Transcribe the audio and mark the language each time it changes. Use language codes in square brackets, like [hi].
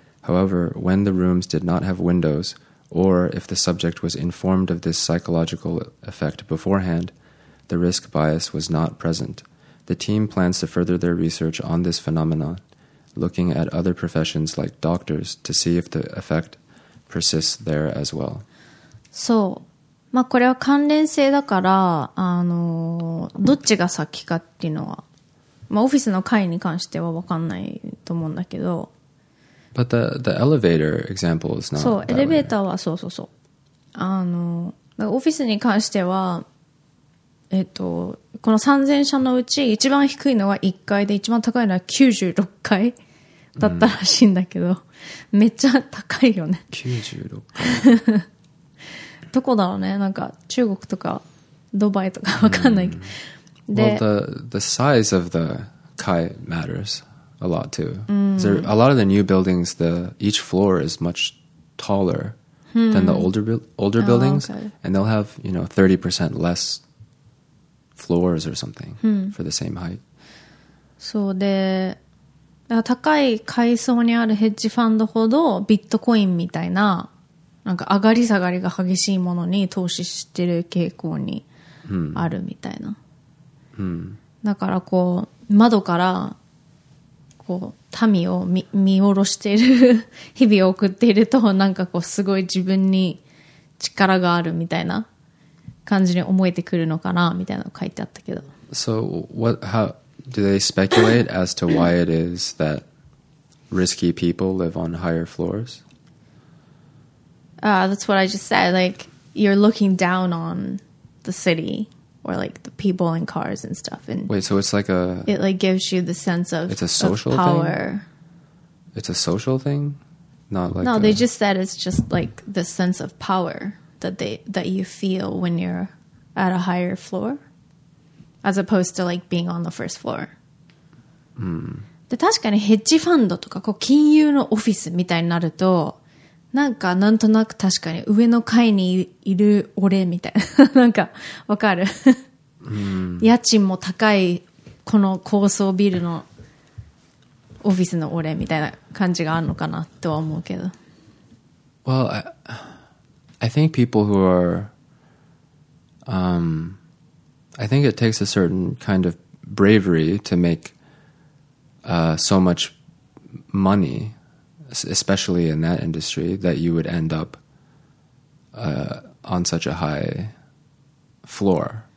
[en] However, when the rooms did not have windows, or if the subject was informed of this psychological effect beforehand, the risk bias was not present. The team plans to further their research on this phenomenon, looking at other professions like doctors to see if the effect persists there as well. [ja] そう、まあこれは関連性だから、どっちが先かっていうのは、まあオフィスの階に関しては分かんないと思うんだけど。 [en] But the elevator example is not. [ja] そう、エレベーターはそうそうそう。だからオフィスに関しては。この3000社のうち一番低いのは1階で一番高いのは96階だったらしいんだけど、うん、めっちゃ高いよね 96階どこだろうねなんか中国とかドバイとか分かんないけど、 [en] うん、Well, the size of the 階 matters a lot too、うん、There, a lot of the new buildings the each floor is much taller than the older buildings、okay. and they'll have you know 30% lessfloors or something、うん、for the same height. [ja] そうで、だから高い階層にあるヘッジファンドほどビットコインみたいななんか上がり下がりが激しいものに投資してる傾向にあるみたいな、うんうん、だからこう窓からこう民を 見下ろしている日々を送っているとなんかこうすごい自分に力があるみたいな感じに思えてくるのかなみたいなの書いてあったけど。 [en] So what? How do they speculate as to why it is that risky people live on higher floors? That's what I just said. Like you're looking down on the city or like the people in cars and stuff. And wait, so it's like a it like gives you the sense of it's a social power. Thing? It's a social thing, not like no. A, they just said it's just like the sense of power. That you feel when you're at a higher floor as opposed to like being on the first floor、 mm. [ja] で確かにヘッジファンドとかこう金融のオフィスみたいになるとなんかなんとなく確かに上の階にいる俺みたいななんかわかる、 mm. 家賃も高いこの高層ビルのオフィスの俺みたいな感じがあるのかなとは思うけど [en] Well, I think people who are, I think it takes a certain kind of bravery to make so much money, especially in that industry, that you would end up on such a high floor.